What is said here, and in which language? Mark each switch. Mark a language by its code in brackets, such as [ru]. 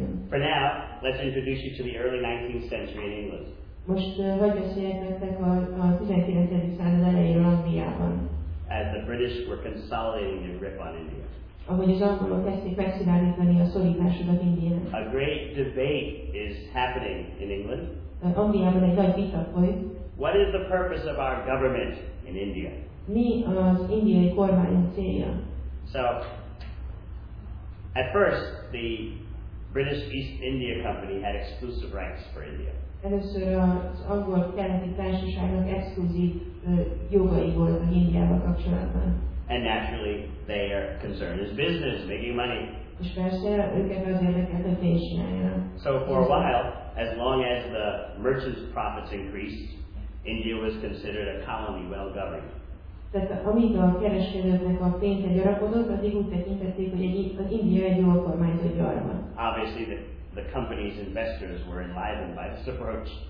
[en] For now, let's introduce you to the early 19th century in England. [hu] Most vagy beszéljek nektek a 19. század elejéről Angliában. [en] As the British were consolidating their grip on India. [hu] Ahogy az angolok kezdték megszilárdítani a szorításukat Indiában. [en] A great debate is happening in England. [hu] Angliában egy nagy vita folyt. [en] What is the purpose of our government in India? [hu] Mi az indiai kormány célja? [en] So, at first, the British East India Company had exclusive rights for India. [hu] Először az angol keleti társaságnak exkluzív jogai voltak az Indiával kapcsolatban. [en] And naturally, their concern is business, making money. [hu] És persze, őket az érdekelt, hogy pénzt csináljanak. [en] So for a while, as long as the merchants' profits increased, India was considered a colony well governed. [hu] Tehát amíg a kereskedőknek a pénze gyarapodott, addig úgy tekintették, hogy az India egy jól kormányzott gyarmat. [en] Obviously, the company's investors were enlivened by this approach.